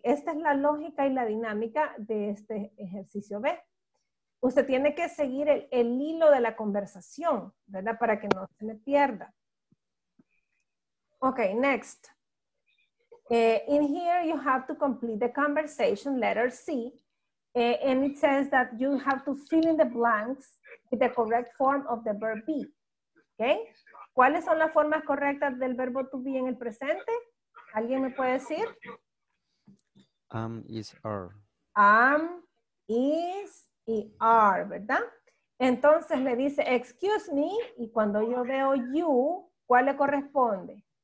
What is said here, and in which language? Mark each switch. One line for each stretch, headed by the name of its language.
Spanish: Esta es la lógica y la dinámica de este ejercicio B. Usted tiene que seguir el hilo de la conversación, ¿verdad? Para que no se le pierda.
English: Okay, next. In here, you have to complete the conversation, letter C. And it says that you have to fill in the blanks with the correct form of the verb be. Okay?
Spanish: ¿Cuáles son las formas correctas del verbo to be en el presente? ¿Alguien me puede decir?
English: Is, are.
Spanish: Is y are, ¿verdad? Entonces le dice,
English: excuse me,
Spanish: y cuando yo veo you, ¿cuál le corresponde?